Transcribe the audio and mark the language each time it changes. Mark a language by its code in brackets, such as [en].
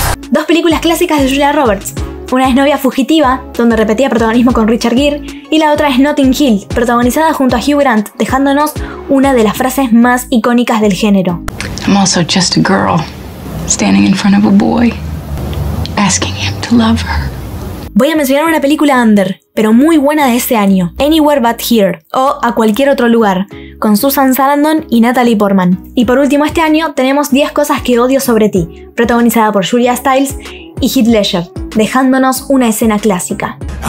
[es] Dos películas clásicas de Julia Roberts. Una es Novia Fugitiva, donde repetía protagonismo con Richard Gere, y la otra es Notting Hill, protagonizada junto a Hugh Grant, dejándonos una de las frases más icónicas del género. [en] I'm also just a girl, standing in front of a boy, asking him to love her. [es] Voy a mencionar una película under, pero muy buena de ese año, Anywhere But Here, o A Cualquier Otro Lugar, con Susan Sarandon y Natalie Portman. Y por último este año tenemos 10 cosas que odio sobre ti, protagonizada por Julia Stiles y Heath Ledger, dejándonos una escena clásica.